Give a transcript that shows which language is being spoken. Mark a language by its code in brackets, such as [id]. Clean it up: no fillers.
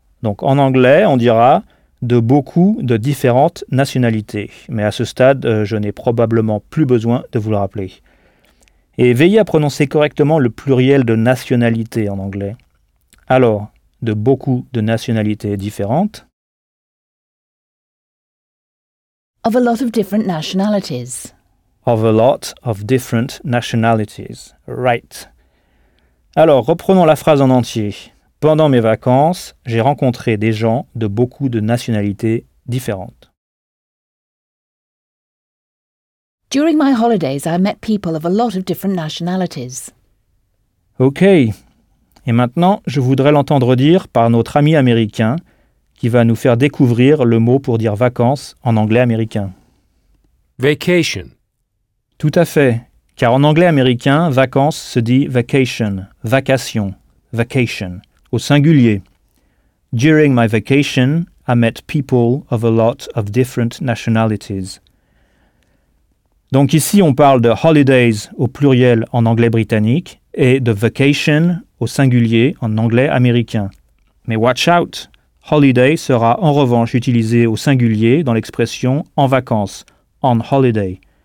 [fr] Donc, en anglais, on dira de beaucoup de différentes nationalités. Mais à ce stade, je n'ai probablement plus besoin de vous le rappeler. Et veillez à prononcer correctement le pluriel de nationalité en anglais. Alors, de beaucoup de nationalités différentes. [en] Of a lot of different nationalities. Of a lot of different nationalities. Right. [fr] Alors, reprenons la phrase en entier. Pendant mes vacances, j'ai rencontré des gens de beaucoup de nationalités différentes. [en] During my holidays, I met people of a lot of different nationalities. OK. [fr] Et maintenant, je voudrais l'entendre dire par notre ami américain qui va nous faire découvrir le mot pour dire vacances en anglais américain. [en] Vacation. [fr] Tout à fait. Car en anglais américain, vacances se dit vacation, vacation, vacation, au singulier. [en] During my vacation, I met people of a lot of different nationalities. [fr] Donc ici, on parle de holidays au pluriel en anglais britannique et de vacation au singulier en anglais américain. Mais [en] watch out! [fr] Holiday sera en revanche utilisé au singulier dans l'expression en vacances, on holiday.